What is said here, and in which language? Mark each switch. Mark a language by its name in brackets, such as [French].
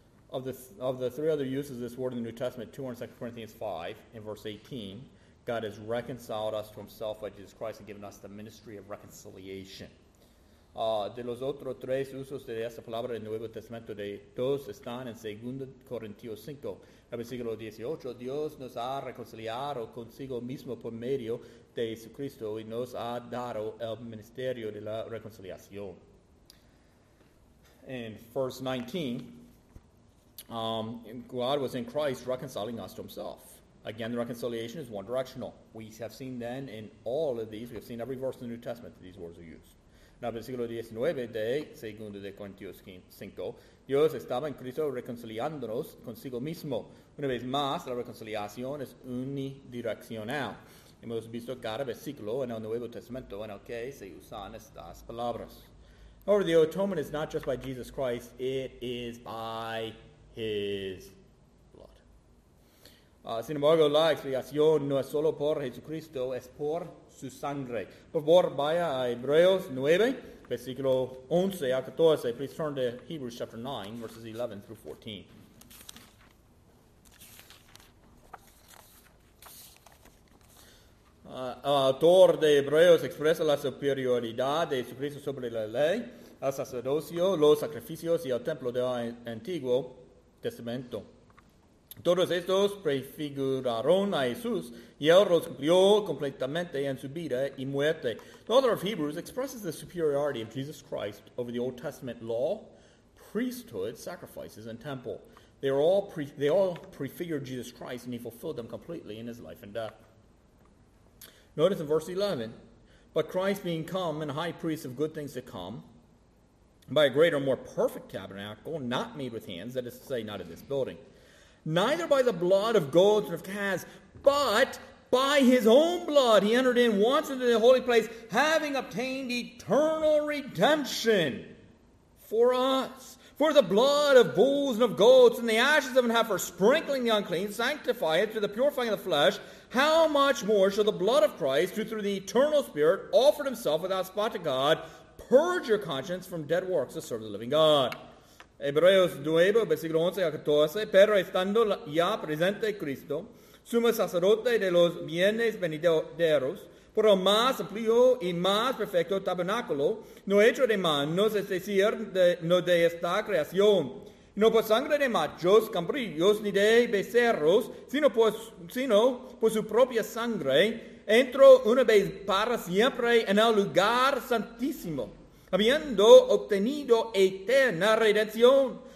[English] Of the three other uses of this word in the New Testament, 2 Corinthians 5, in verse 18, God has reconciled us to himself by Jesus Christ and given us the ministry of reconciliation. [Spanish] De los otros tres usos de esta palabra en el Nuevo Testamento, de dos están en 2 Corintios 5, el versículo 18. Dios nos ha reconciliado consigo mismo por medio de Jesucristo y nos ha dado el ministerio de la reconciliación. [English] And verse 19, God was in Christ reconciling us to himself. Again, the reconciliation is one directional. We have seen then in all of these, we have seen every verse in the New Testament that these words are used. [Spanish] Now, versículo 19 de 2 de Corintios 5, Dios estaba en Cristo reconciliándonos consigo mismo. Una vez más, la reconciliación es unidireccional. Hemos visto cada versículo en el Nuevo Testamento en el que se usan estas palabras. [English] However, the atonement is not just by Jesus Christ, it is by His blood. [Spanish] Sin embargo, la expiación no es solo por Jesucristo, es por su sangre. Por favor, vaya a Hebreos 9, versículo 11 a 14. [English] Please turn to Hebrews chapter 9, verses 11 through 14. [Spanish] El autor de Hebreos expresa la superioridad de Jesucristo sobre la ley, el sacerdocio, los sacrificios y el templo del antiguo Testamento. Todos estos prefiguraron a Jesús y él los cumplió completamente en su vida y muerte. [English] The author of Hebrews expresses the superiority of Jesus Christ over the Old Testament law, priesthood, sacrifices, and temple. They all prefigured Jesus Christ and he fulfilled them completely in his life and death. Notice in verse 11, but Christ being come and high priest of good things to come, by a greater, more perfect tabernacle, not made with hands, that is to say, not in this building. Neither by the blood of goats and of calves, but by his own blood he entered in once into the holy place, having obtained eternal redemption for us. For the blood of bulls and of goats and the ashes of an heifer, sprinkling the unclean, sanctify it through the purifying of the flesh. How much more shall the blood of Christ, who through the eternal Spirit offered himself without spot to God, purge your conscience from dead works to serve the living God. [Spanish] Hebreos 9, versículo 11 a 14. Pero estando ya presente Cristo, sumo sacerdote de los bienes venideros, por el más amplio y más perfecto tabernáculo, no hecho de manos, es decir, no de esta creación, no por sangre de machos, cambrillos, ni de becerros, sino por su propia sangre, entró una vez para siempre en el lugar santísimo, habiendo obtenido eterna redención.